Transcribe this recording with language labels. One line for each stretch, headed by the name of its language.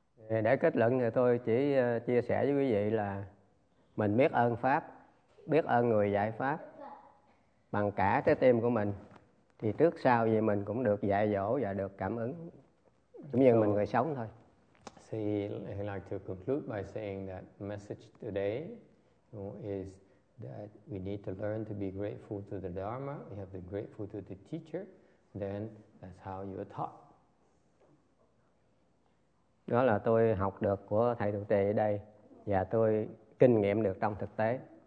Vietnamese: Để kết luận thì tôi chỉ chia sẻ với quý vị là mình biết ơn Pháp, biết ơn người dạy Pháp bằng cả trái tim của mình. Thì trước sau gì mình cũng được dạy dỗ và được cảm ứng, cũng như
English: so,
Vietnamese: mình người sống thôi.
English: So he like to conclude by saying that message today is that we need to learn to be grateful to the Dharma, we have to be grateful to the teacher, then that's how you are taught.
Vietnamese: Đó là tôi học được của thầy trụ trì ở đây và tôi kinh nghiệm được trong thực tế.